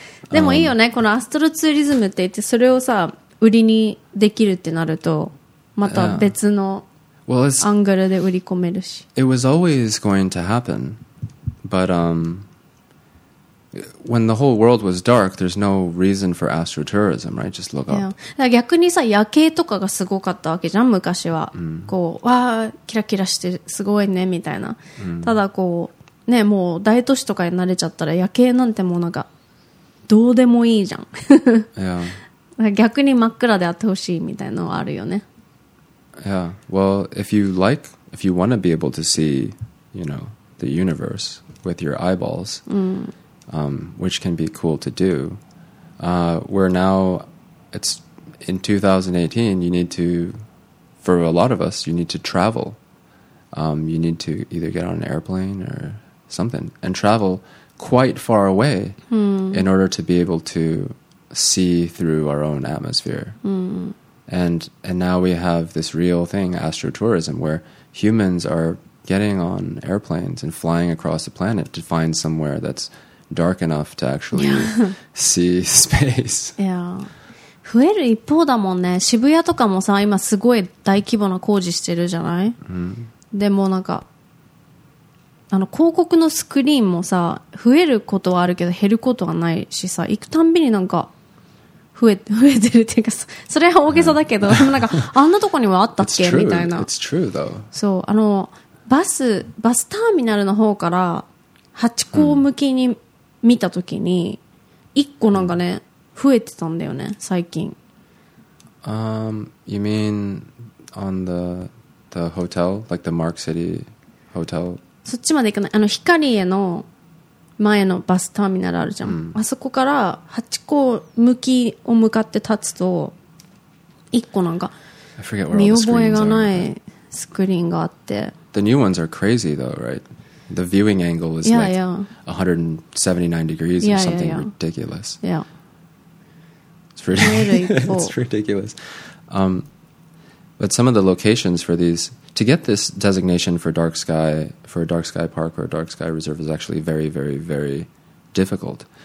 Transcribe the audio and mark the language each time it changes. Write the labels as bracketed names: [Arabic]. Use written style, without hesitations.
[Japanese] でもいいよね、このアストロツーリズムって言って、それをさ売りにできるってなるとまた別のアングルで売り込めるし、 [English] It was always going to happen, but when the whole world was dark, there's no reason for astrotourism, right? Just look up. [Japanese] だから逆にさ、夜景とかがすごかったわけじゃん、昔は。こう、わあ、キラキラしてすごいね、みたいな。ただこう、ね、もう大都市とかに慣れちゃったら夜景なんてもうなんか、どうでもいいじゃん。逆に真っ暗であってほしいみたいなのはあるよね。 [English] Yeah, well, if you like, if you want to be able to see, you know, the universe with your eyeballs,which can be cool to do, where now it's in 2018, you need to, for a lot of us, you need to travel. You need to either get on an airplane or something and travel quite far away in order to be able to see through our own atmosphere. And now we have this real thing, astrotourism, where humans are getting on airplanes and flying across the planet to find somewhere that's dark enough to actually see space. [Japanese] Yeah. 増える一方だもんね。渋谷とかもさ、今すごい大規模な工事してるじゃない？でもなんか、あの広告のスクリーンもさ、増えることはあるけど減ることはないしさ、行くたんびになんか、増えてるっていうか、それは大げさだけど、でもなんか、あんなとこにはあったっけ？みたいな。 [English] It's true though. [Japanese] そう、あの、バスターミナルの方から、ハチ公向きに見たときに、一個なんかね、増えてたんだよね、最近。 [English] You mean on the hotel? Like the Mark City Hotel? [Japanese] そっちまで行かない。あの、光家の、前のバスターミナルあるじゃん、あそこからハチ公向きを向かって立つと一個なんか見覚えがないスクリーンがあって、 [English] The new ones are crazy though, right? The viewing angle is like 179 degrees or something ridiculous. Yeah. It's ridiculous. But some of the locations for these, to get this designation for dark sky, for a dark sky park or a dark sky reserve, is actually very, very, very difficult.